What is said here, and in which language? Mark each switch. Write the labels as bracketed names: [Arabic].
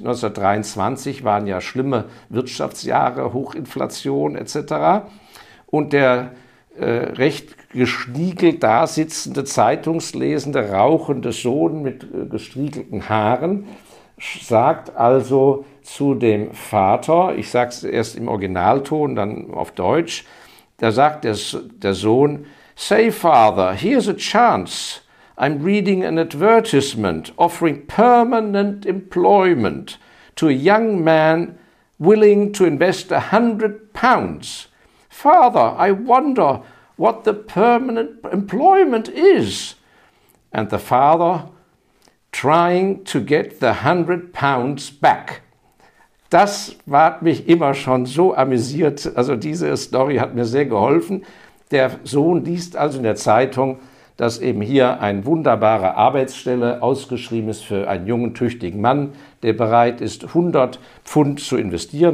[German] 1923 waren ja schlimme Wirtschaftsjahre, Hochinflation etc., und der recht gestriegelt dasitzende, zeitungslesende, rauchende Sohn mit gestriegelten Haaren sagt also zu dem Vater, ich sage es erst im Originalton, dann auf Deutsch, da sagt der Sohn, [English] "Say, Father, here's a chance. I'm reading an advertisement offering permanent employment to a young man willing to invest £100. Father, I wonder what the permanent employment is." And the father, trying to get the 100 pounds back. [German] Das hat mich immer schon so amüsiert. Also diese Story hat mir sehr geholfen. Der Sohn liest also in der Zeitung, dass eben hier eine wunderbare Arbeitsstelle ausgeschrieben ist für einen jungen, tüchtigen Mann, der bereit ist, 100 Pfund zu investieren.